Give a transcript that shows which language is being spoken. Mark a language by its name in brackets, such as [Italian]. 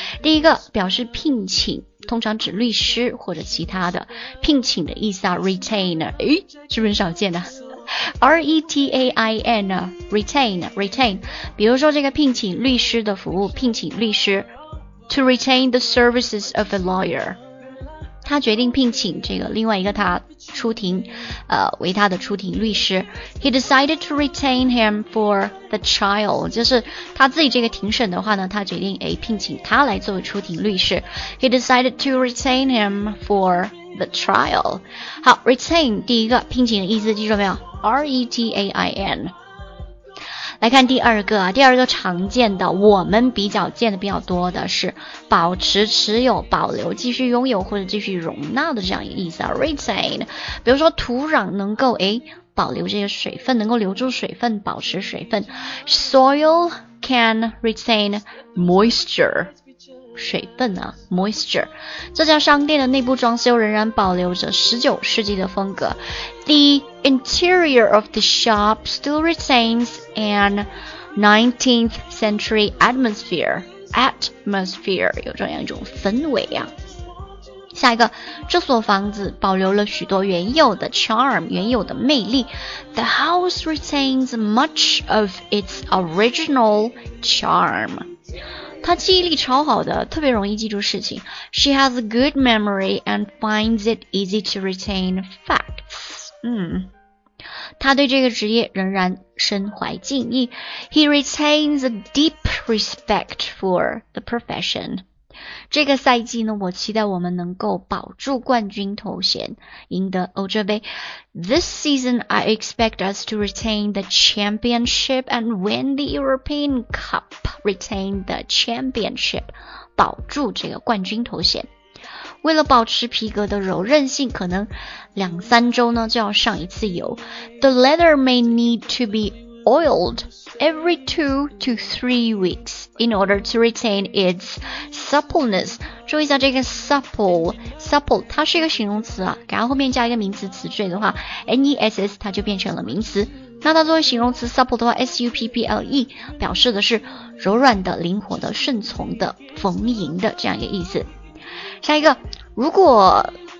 [Chinese] 第一个表示聘请，通常指律师或者其他的聘请的意思啊， retainer， 诶是不是少见的、啊、retain retain， 比如说这个聘请律师的服务，聘请律师 [English] to retain the services of a lawyer， [Chinese] 他决定聘请这个另外一个他出庭为他的出庭律师。 [English] He decided to retain him for the trial， [Chinese] 就是他自己这个庭审的话呢，他决定聘请他来作为出庭律师。 [English] He decided to retain him for the trial。 [Chinese] 好， retain 第一个聘请的意思记住没有， retain。来看第二个，第二个常见的我们比较见的比较多的是保持、持有、保留、继续拥有或者继续容纳的这样一个意思啊， retain。 比如说土壤能够保留这个水分，能够留住水分，保持水分。 [English] Soil can retain moisture. [Chinese] 水分啊 moisture 这家商店的内部装修仍然保留着19世纪的风格 [English] The interior of the shop still retains an 19th century atmosphere [Chinese] 有这样一种氛围啊下一个这所房子保留了许多原有的 charm 原有的魅力 [English] The house retains much of its original charm [Chinese] 她记忆力超好的，特别容易记住事情。 [English] She has a good memory and finds it easy to retain facts. [Chinese] 她对这个职业仍然身怀敬意。 [English] He retains a deep respect for the profession. [Chinese] 这个赛季呢，我期待我们能够保住冠军头衔，赢得欧洲杯。 [English] This season, I expect us to retain the championship and win the European Cup. Retain the championship [Chinese] 保住这个冠军头衔为了保持皮革的柔韧性可能两三周呢就要上一次油 [English] The leather may need to be oiled every 2 to 3 weeks in order to retain its suppleness [Chinese] 注意一下这个 supple 它是一个形容词啊给它后面加一个名词词缀的话 NESS 它就变成了名词那它作为形容词 supple 的话 SUPPLE 表示的是柔软的灵活的顺从的逢迎的这样一个意思下一个如果